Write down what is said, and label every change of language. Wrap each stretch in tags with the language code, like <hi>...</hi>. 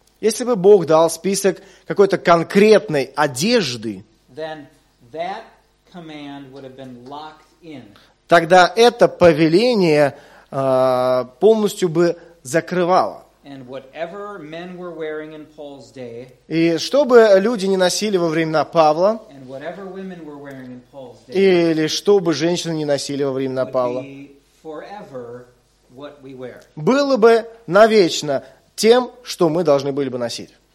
<ru>если бы Бог дал список какой-то конкретной одежды,</ru> <en>then that command would have been locked in.</en> <ru>Тогда это повеление полностью бы закрывало.</ru> <en>And whatever men were wearing in Paul's day,</en> <ru>и что бы люди не носили во времена Павла,</ru> <en>and whatever women were wearing in Paul's day,</en> <ru>или что бы женщины не носили во времена Павла,</ru> <en>forever what we wear.</en> <ru>Было бы навечно тем, что мы должны были бы носить.</ru>